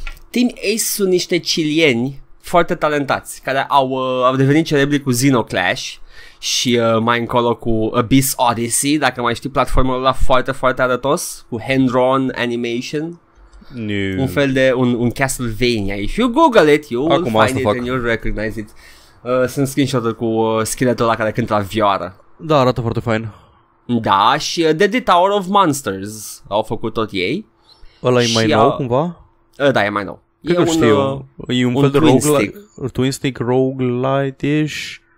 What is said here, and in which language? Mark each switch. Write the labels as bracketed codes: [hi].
[ro] Team Ace sunt niște chilieni foarte talentați, care au devenit celebri cu Xenoclash și mai încolo cu Abyss Odyssey, dacă mai știi platformul ăla foarte, foarte arătos, cu hand-drawn animation. [en] No. [ro] Un fel de un Castlevania. [en] If you Google it, you [ro] acum [en] will find it and you'll recognize it. [ro] Sunt screenshot-uri cu scheletul ăla care cântă la vioară. Da, arată foarte fain. Da, și The Tower of Monsters au făcut tot ei. Ăla-i mai nou cumva? Da, e mai nou. Cred că știu. E un fel de twin stick roguelite-ish.